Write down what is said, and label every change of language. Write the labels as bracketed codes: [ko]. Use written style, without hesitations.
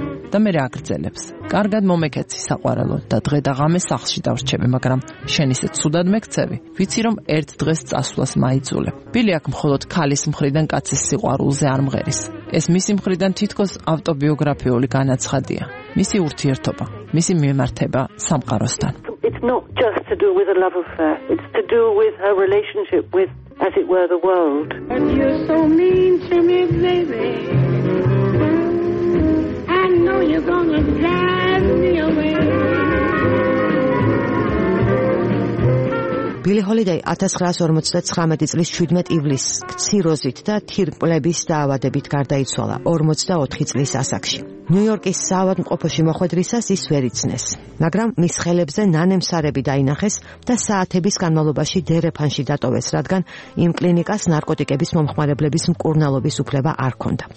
[ka] და მე რა აგრძელებს. კარგად მომეკეცი საყვარელო და დღე და ღამე სახლში დავრჩები, მაგრამ შენ ისე ცუდად მექცევი. ვიცი რომ ერთ დღეს წასვლას მაიძულებ. ბილი აქ მხოლოდ ქალის მხრიდან კაცის სიყვარულზე არ მღერის. ეს მისი მხრიდან თითქოს ავტობიოგრაფიული განაცხადია. მისი ურთიერთობა, მისი მიმართება სამყაროსთან. [en] It's not just to do with a love affair. It's to do with her relationship with, as it were, the world. And you're so mean to me, baby. I know you're gonna drive me away. [ka] ბილი ჰოლიდეი 1959 წლის 17 ივლისს ქციროზით და თირკმლების დაავადებით გარდაიცვალა 44 წლის ასაკში. ნიუ-იორკის საავადმყოფოში მოხვედრისას ის ვერ იცნეს, მაგრამ მის ხელებზე ნანემსარები დაინახეს და საათების განმავლობაში დერეფანში დატოვეს, რადგან იმ კლინიკას ნარკოტიკების მომხმარებლების მკურნალობის უფლება არ ჰქონდა.